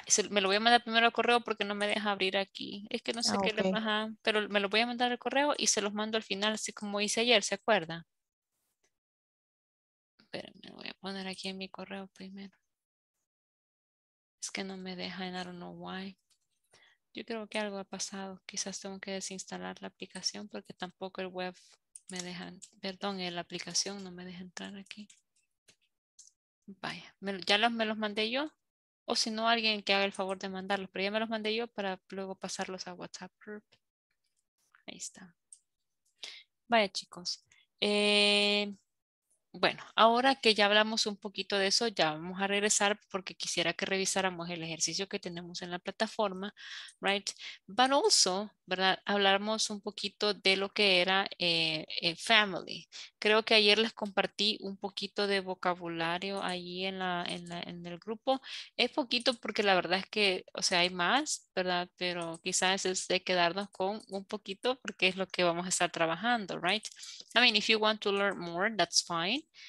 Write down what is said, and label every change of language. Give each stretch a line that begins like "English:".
Spanish: Me lo voy a mandar primero al correo porque no me deja abrir aquí. Es que no sé qué le pasa. Pero me lo voy a mandar al correo y se los mando al final, así como hice ayer, ¿se acuerda? Pero me lo voy a poner aquí en mi correo primero. Es que no me deja,
English: and I don't know why.
Spanish: Yo creo que algo ha pasado. Quizás tengo que desinstalar la aplicación porque tampoco el web me deja. Perdón, la aplicación no me deja entrar aquí. Vaya, ya me los mandé yo, o si no, alguien que haga el favor de mandarlos, pero ya me los mandé yo para luego pasarlos a WhatsApp group. Ahí está. Vaya, chicos. Bueno, ahora que ya hablamos un poquito de eso, ya vamos a regresar porque quisiera que revisáramos el ejercicio que tenemos en la plataforma, right?
English: But also,
Spanish: ¿verdad? Hablamos un poquito de lo que era family. Creo que ayer les compartí un poquito de vocabulario ahí en el grupo. Es poquito porque la verdad es que, o sea, hay más, ¿verdad? Pero quizás es de quedarnos con un poquito porque es lo que vamos a estar trabajando, right?
English: I mean, if you want to learn more, that's fine.